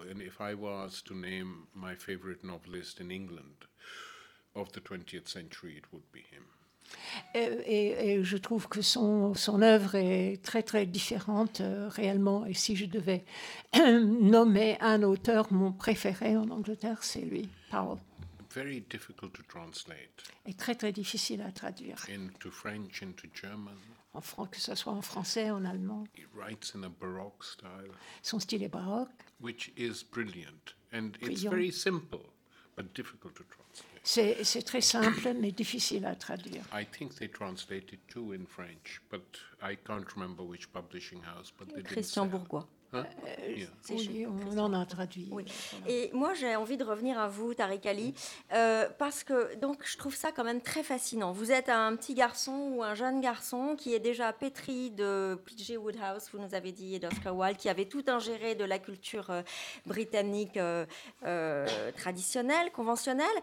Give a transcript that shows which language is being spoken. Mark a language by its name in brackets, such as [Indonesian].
[English] And if I was to name my favorite novelist in England of the 20th century, it would be him. [French] Et je trouve que son œuvre est très très différente réellement. Et si je devais nommer un auteur mon préféré en Angleterre, c'est lui, Powell. [English] Very difficult to translate. [French] Et très très difficile à traduire. [English] Into French, into German. [French] Que ce soit en français, en allemand. [English] He writes in a baroque style. [French] Son style est baroque. [English] Which is brilliant. And brilliant. It's very simple, but difficult to translate. [French] C'est très simple, mais difficile à traduire. [English] I think they translated two in French, but I can't remember which publishing house. But they Christian didn't Bourgois. [French] Oui, on en a traduit. Oui. Et moi, j'ai envie de revenir à vous, Tariq Ali, parce que donc, je trouve ça quand même très fascinant. Vous êtes un petit garçon ou un jeune garçon qui est déjà pétri de P.G. Wodehouse, vous nous avez dit, et d'Oscar Wilde, qui avait tout ingéré de la culture britannique traditionnelle, conventionnelle.